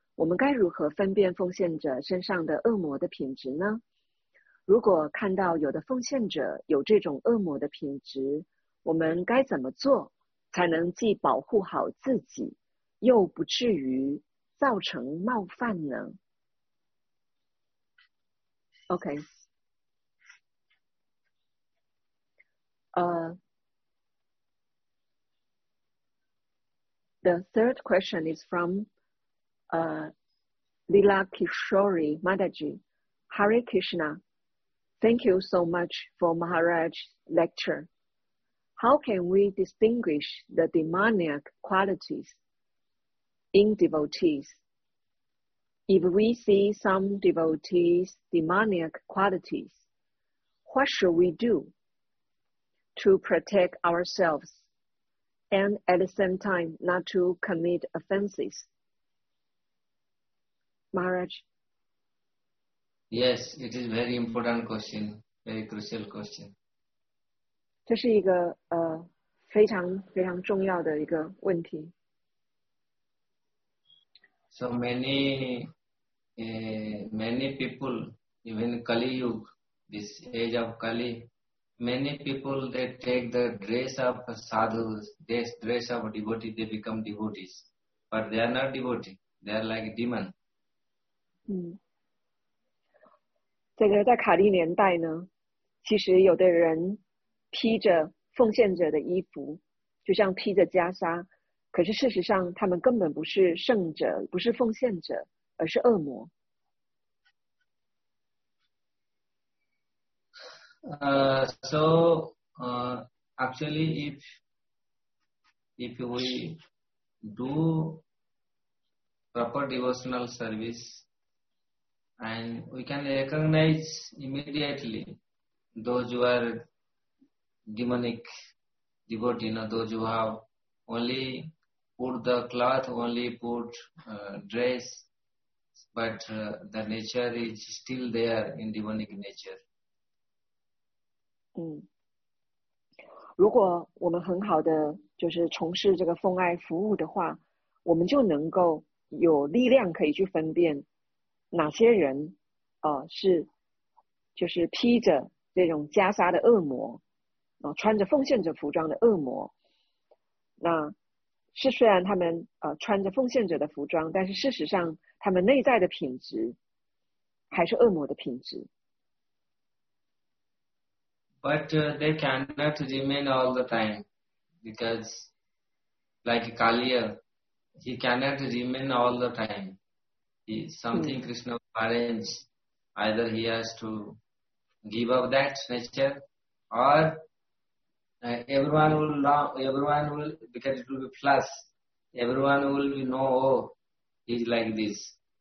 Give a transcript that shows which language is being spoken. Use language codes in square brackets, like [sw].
[zh] 我们该如何分辨奉献者身上的恶魔的品质呢？如果看到有的奉献者有这种恶魔的品质，我们该怎么做才能既保护好自己，又不至于造成冒犯呢？ [en] OK， The third question is from Lila Kishori Mataji. Hare Krishna, thank you so much for Maharaj's lecture. How can we distinguish the demoniac qualities in devotees? If we see some devotees' demoniac qualities, what should we do to protect ourselves and at the same time not to commit offenses? Maharaj? Yes, it is a very important question, very crucial question. [zh] 这是一个非常非常重要的一个问题。 [en] So many, many people, even Kali Yuga, this age of Kali, many people, they take the dress of sadhus, this dress of devotee, they become devotees. But they are not devotee, they are like demon. [zh] 这个在卡利年代呢，其实有的人披着奉献者的衣服，就像披着袈裟，可是事实上他们根本不是圣者，不是奉献者，而是恶魔。 [en] Actually if we do proper devotional service and we can recognize immediately those who are demonic devotee, no, those who have only put the cloth, only put dress, but the nature is still there in divinic nature. [zh] 如果我们很好的就是从事这个奉爱服务的话，我们就能够有力量可以去分辨哪些人是就是披着这种袈裟的恶魔穿着奉献者服装的恶魔，那是虽然他们穿着奉献者的服装，但是事实上他们内在的品质还是恶魔的品质。 [en] But they cannot remain all the time, because like Kaliya, he cannot remain all the time. He, something Krishna arranges, either he has to give up that nature, or everyone will, because it will be plus, everyone will know, oh, he is like this.